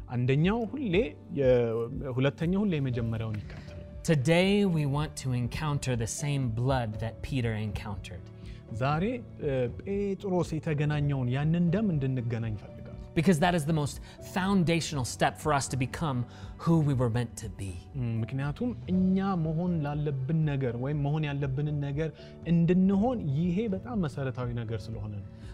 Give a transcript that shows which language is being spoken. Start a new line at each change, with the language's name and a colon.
Amharic: አንደኛው ሁሌ ሁለተኛው ሁሌ መጀመሪያውን ይከተላል.
English: Today we want to encounter the same blood that Peter encountered.
Amharic: ዛሬ ጴጥሮስ የተገናኘውን ያንን ደም እንድንገናኝ ፈልጋለሁ.
English: Because that is the most foundational step for us to become who we were meant to be.
Amharic: ምክንያቱም እኛ መሆን ላለብን ነገር ወይም መሆን ያለብን ነገር እንድንሆን ይሄ በጣም መሰረታዊ ነገር ስለሆነ ነው.